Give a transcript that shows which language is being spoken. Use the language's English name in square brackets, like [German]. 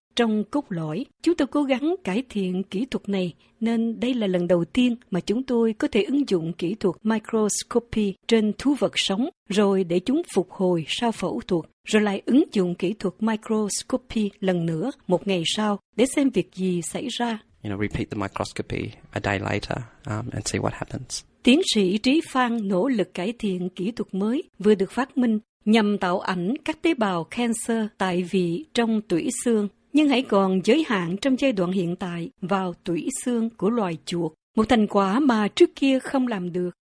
[Vietnamese] Trong cốt lõi, chúng tôi cố gắng cải thiện kỹ thuật này, nên đây là lần đầu tiên mà chúng tôi có thể ứng dụng kỹ thuật microscopy trên thú vật sống, rồi để chúng phục hồi sau phẫu thuật, rồi lại ứng dụng kỹ thuật microscopy lần nữa một ngày sau để xem việc gì xảy ra. [English] You know, repeat the microscopy a day later, and see what happens. [Vietnamese] Tiến sĩ Trí Phan nỗ lực cải thiện kỹ thuật mới vừa được phát minh nhằm tạo ảnh các tế bào cancer tại vị trong tủy xương. Nhưng hãy còn giới hạn trong giai đoạn hiện tại vào tủy xương của loài chuột, một thành quả mà trước kia không làm được.